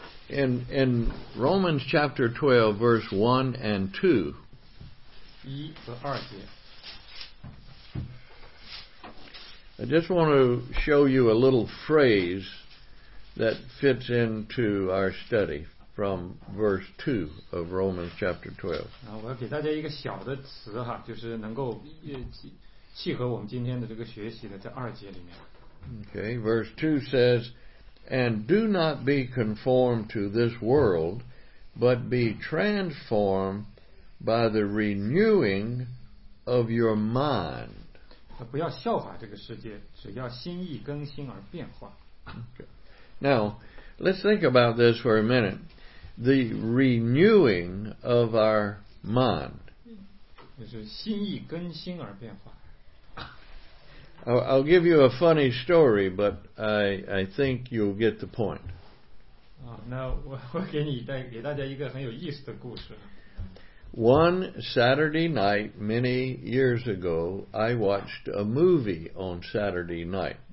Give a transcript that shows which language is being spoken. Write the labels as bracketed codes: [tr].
[en] In Romans chapter 12, verse 1 and 2. 1 and 2. I just want to show you a little phrase that fits into our study from verse 2 of Romans chapter 12. [zh] 我要给大家一个小的词哈，就是能够契合我们今天的这个学习的，在二节里面。 [en] Okay, verse 2 says, and do not be conformed to this world, but be transformed by the renewing of your mind. [zh] 不要效法这个世界，只要心意更新而变化。 [en] Now, let's think about this for a minute. The renewing of our mind. [zh] 就是心意更新而变化。 [en] I'll give you a funny story, but I think you'll get the point. [zh] 那我给你带给大家一个很有意思的故事。 [en] One Saturday night, many years ago, I watched a movie on Saturday night.